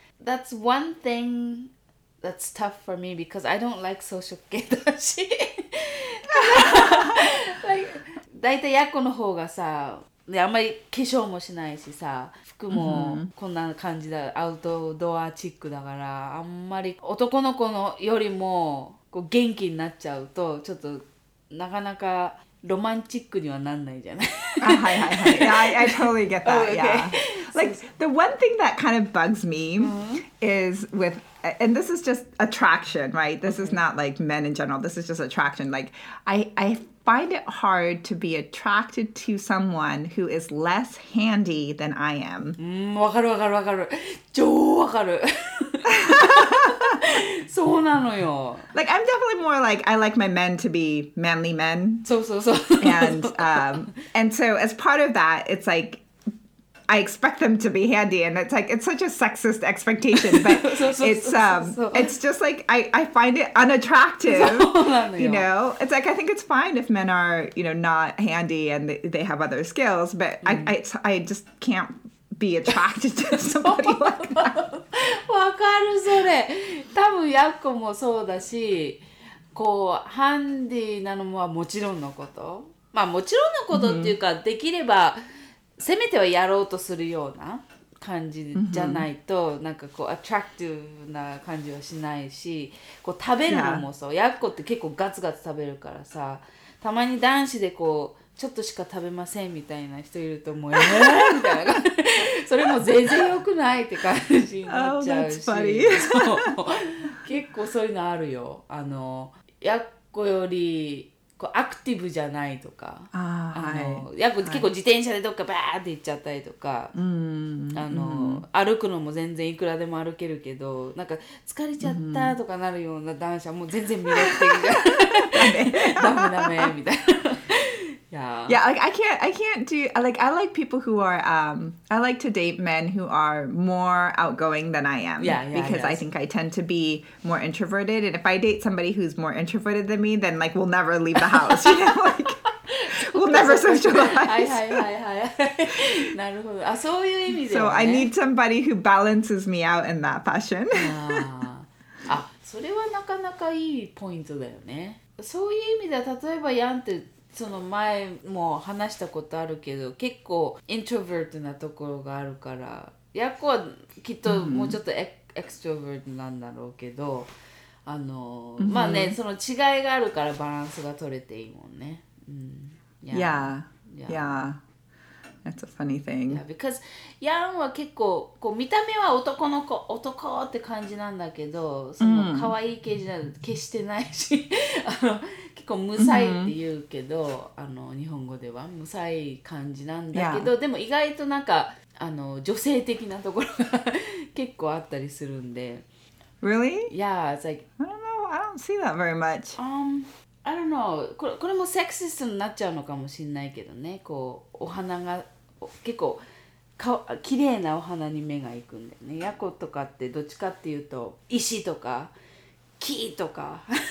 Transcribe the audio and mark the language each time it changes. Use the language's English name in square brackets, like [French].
[English] That's one thing that's tough for me because I don't like social gaydashi. [Japanese] だいたいやっこの方がさ、あんまり化粧もしないしさ、服もこんな感じだ、アウトドアチックだから、あんまり男の子のよりもこう元気になっちゃうと、ちょっとなかなかロマンチックにはなんないじゃない。はいはいはい。 [English] I totally get that. Yeah. Like, the one thing that kind of bugs me is with, and this is just attraction, right? This is not like men in general. This is just attraction. Like, I find it hard to be attracted to someone who is less handy than I am. [Japanese] わかるわかるわかる。超わかる。そうなのよ。 [English] Like, I'm definitely more like, I like my men to be manly men. [Japanese] そうそうそう。 [English] And so as part of that, it's like,I expect them to be handy, and it's like, it's such a sexist expectation, but it's just like, I find it unattractive, you know? It's like, I think it's fine if men are, you know, not handy and they have other skills, but I just can't be attracted to somebody like that. [Japanese] わかるそれ。多分ヤッコもそうだし、こう、ハンディなのはもちろんのこと。まあもちろんのことっていうか、できれば、せめてはやろうとするような感じじゃないと、mm-hmm. なんかこうアトラクティブな感じはしないし、こう食べるのもそう、yeah. やっこって結構ガツガツ食べるからさ、たまに男子でこうちょっとしか食べませんみたいな人いると思うよみたいな、それも全然良くないって感じになっちゃうし、 [English] oh, that's funny. [Japanese] そう結構そういうのあるよ、あのやっこよりこうアクティブじゃないとか、あの、はい、やっぱ結構自転車でどっかバーって行っちゃったりとか、はい、あの、歩くのも全然いくらでも歩けるけど、なんか疲れちゃったとかなるような男子はもう全然魅力的じゃん。ダメダメみたいな。 [English] Yeah, like I can't do, like, I like people who are, I like to date men who are more outgoing than I am. Yeah, because yeah. I think I tend to be more introverted. And if I date somebody who's more introverted than me, then, like, we'll never leave the house, you know, like, we'll never socialize. [Japanese] はいはいはいはい。なるほど。あ、そういう意味だよね。 [English] So I need somebody who balances me out in that fashion. [Japanese] あ、それはなかなかいいポイントだよね。そういう意味では、例えばヤンって、その前も話したことあるけど、結構イントロヴェルトなところがあるから、ヤッコはきっともうちょっとエクストロヴェルトなんだろうけど、あの、まあね、その違いがあるからバランスが取れていいもんね。 [English] That's a funny thing. Yeah, because [Japanese] ヤンは結構こう見た目は男の子、男って感じなんだけど、その可愛い系じゃ決してないし、あの、結構むさいって言うけど、あの、日本語ではむさい感じなんだけど、でも意外となんか、あの、女性的なところが結構あったりするんで。 [English] Really? Yeah, it's like, I don't know, I don't see that very much. I don't know. [Japanese] これもセクシストになっちゃうのかもしれないけどね。こう、お花が結構か綺麗なお花に目が行くんだよね。ヤコとかってどっちかっていうと石とか木とか。